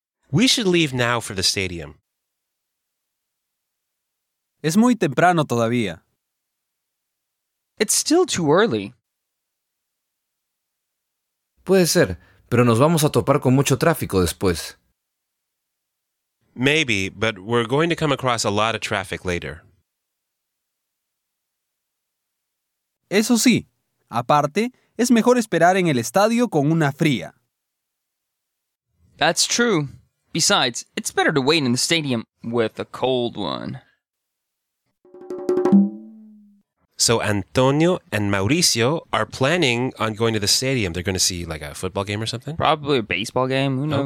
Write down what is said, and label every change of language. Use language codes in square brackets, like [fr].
[en] We should leave now for the stadium. [es] Es muy temprano todavía. [en] It's still too early. [es] Puede ser, pero nos vamos a topar con mucho tráfico después. [en] Maybe, but we're going to come across a lot of traffic later. [es] Eso sí, aparte, es mejor esperar en el estadio con una fría. [en] That's true. Besides, it's better to wait in the stadium with a cold one. So Antonio and Mauricio are planning on going to the stadium. They're going to see like a football game or something? Probably a baseball game. Who knows?